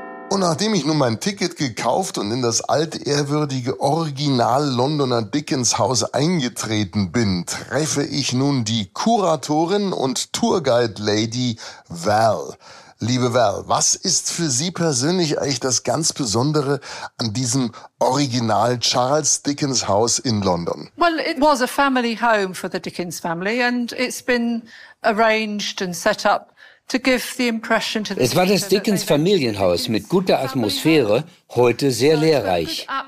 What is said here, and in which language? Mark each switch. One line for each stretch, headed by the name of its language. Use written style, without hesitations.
German: Und nachdem ich nun mein Ticket gekauft und in das altehrwürdige Original-Londoner Dickens-Haus eingetreten bin, treffe ich nun die Kuratorin und Tourguide-Lady Val. Liebe Val, was ist für Sie persönlich eigentlich das ganz Besondere an diesem Original-Charles-Dickens-Haus in London?
English: Well, it was a family home for the Dickens family and it's been arranged and set up.
German: Es war das Dickens-Familienhaus mit guter Atmosphäre, heute sehr lehrreich.